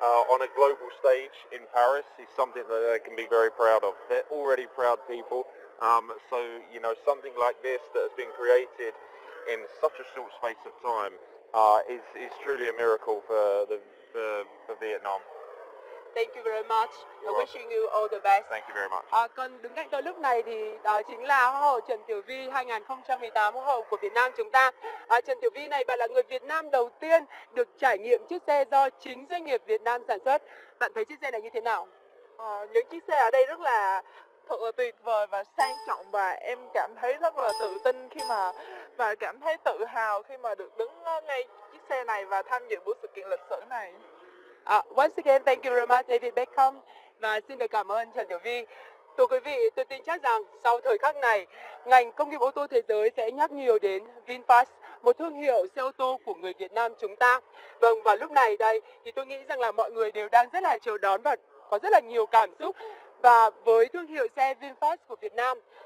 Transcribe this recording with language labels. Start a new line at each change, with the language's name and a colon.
English: On a global stage in Paris is something that they can be very proud of. They're already proud people. So, you know, something like this that has been created in such a short space of time is truly a miracle for Vietnam. Thank you very much. Wishing you all the best. Thank you very much.
Vietnamese: Còn đứng cạnh tôi lúc này thì đó chính là Hoa hậu Trần Tiểu Vy 2018, Hoa hậu của Việt Nam chúng ta. Trần Tiểu Vy này, bạn là người Việt Nam đầu tiên được trải nghiệm chiếc xe do chính doanh nghiệp Việt Nam sản xuất. Bạn thấy chiếc xe này như thế nào? Những chiếc xe ở đây rất là thật là tuyệt vời và sang trọng, và em cảm thấy rất là tự tin và cảm thấy tự hào khi mà được đứng ngay chiếc xe này và tham dự buổi sự kiện lịch sử này.
English: Once again, thank you very much, David Beckham.
Vietnamese: Và xin được cảm ơn Trần Tiểu Vy. Thưa quý vị, tôi tin chắc rằng sau thời khắc này, ngành công nghiệp ô tô thế giới sẽ nhắc nhiều đến VinFast, một thương hiệu xe ô tô của người Việt Nam chúng ta. Vâng, và lúc này đây thì tôi nghĩ rằng là mọi người đều đang rất là chờ đón và có rất là nhiều cảm xúc. Và với thương hiệu xe VinFast của Việt Nam,